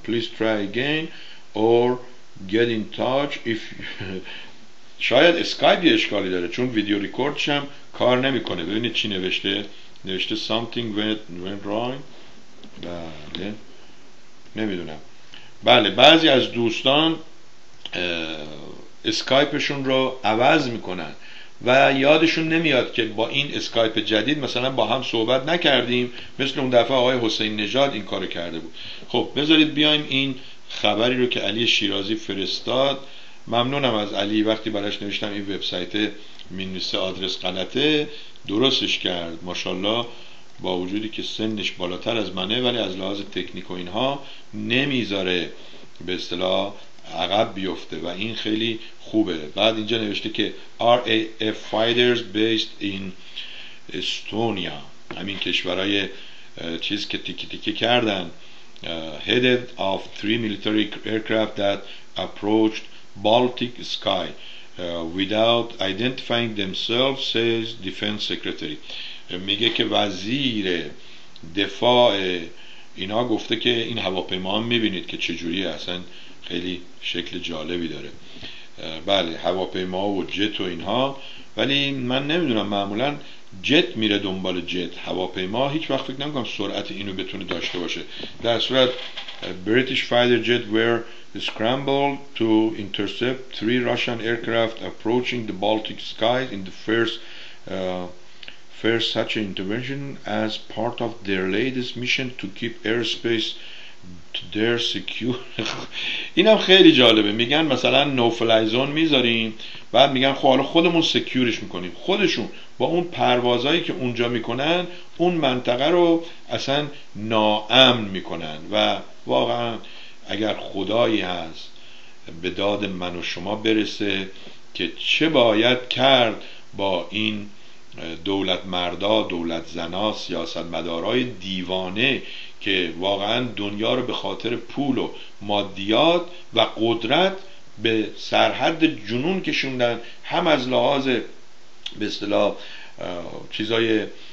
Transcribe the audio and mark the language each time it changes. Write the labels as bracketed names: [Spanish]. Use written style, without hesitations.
[English] Please try again or get in touch if [Persian] شاید اسکایپ یه اشکالی داره چون ویدیو ریکوردش هم کار نمیکنه. ببینید چی نوشته. [English] نوشته something went wrong. [Persian] بله نمیدونم. بله بعضی از دوستان اسکایپشون رو عوض میکنن و یادشون نمیاد که با این اسکایپ جدید مثلا با هم صحبت نکردیم، مثل اون دفعه آقای حسین نژاد این کارو کرده بود. خب بذارید بیایم این خبری رو که علی شیرازی فرستاد، ممنونم از علی، وقتی براش نوشتم این وبسایت مینوسه آدرس غلطه، درستش کرد ماشاءالله. با وجودی که سنش بالاتر از منه ولی از لحاظ تکنیک و اینها نمیذاره به اصطلاح عقب بیفته و این خیلی خوبه. بعد اینجا نوشته که [English] RAF fighters based in Estonia، [Persian] همین کشورهای چیز که تیکی تیکی کردن، [English] headed of 3 military aircraft that approached Baltic sky without identifying themselves, says defense secretary. [Persian] میگه که وزیر دفاع اینا گفته که این هواپیما هم میبینید که چجوری، اصلا خیلی شکل جالبی داره. بله هواپیما و جت و اینها، ولی من نمیدونم، معمولا جت میره دنبال جت، هواپیما هیچ وقت فکر نمیکنم سرعت اینو بتونه داشته باشه. در صورت [English] British fighter jet were scrambled to intercept three Russian aircraft approaching the Baltic sky in the first such an intervention as part of their latest mission to keep airspace their secure. [Persian] اینم خیلی جالبه، میگن مثلا نو فلای زون میذاریم، بعد میگن خب حالا خودمون سکیورش میکنیم، خودشون با اون پروازایی که اونجا میکنن اون منطقه رو اصلا ناامن میکنن. و واقعا اگر خدایی هست به داد من و شما برسه که چه باید کرد با این دولت مردا، دولت زنا، سیاست مدارای دیوانه که واقعا دنیا رو به خاطر پول و مادیات و قدرت به سرحد جنون کشوندن، هم از لحاظ به اصطلاح چیزای